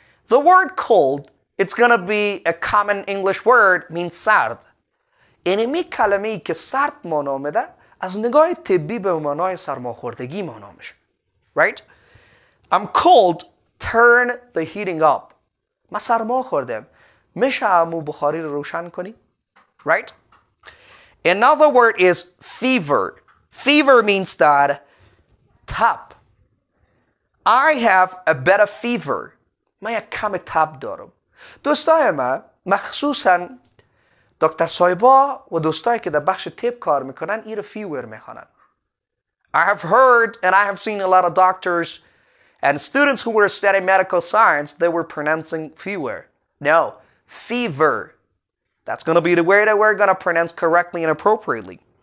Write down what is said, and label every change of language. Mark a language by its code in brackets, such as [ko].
[en] The word cold, it's gonna be a common English word, means سرد. [fa] این می کلمه ای که سرد ما نامده از نگاه طبی به معنای سرماخوردگی ما نامش. [en] Right? I'm cold, turn the heating up. [fa] ما سرماخوردم. میشه همو بخاری رو روشن کنی؟ [en] Right? Another word is fever. Fever means that tap. I have a bit of fever. [fa] من یک کم تب دارم. دوستای ما مخصوصا دکتر صایبا و دوستایی که در بخش تب کار میکنن ایر فیور میخوانن. [en] I have heard and I have seen a lot of doctors and students who were studying medical science, they were pronouncing fever. No. Fever. That's going to be the word that we're going to pronounce correctly and appropriately.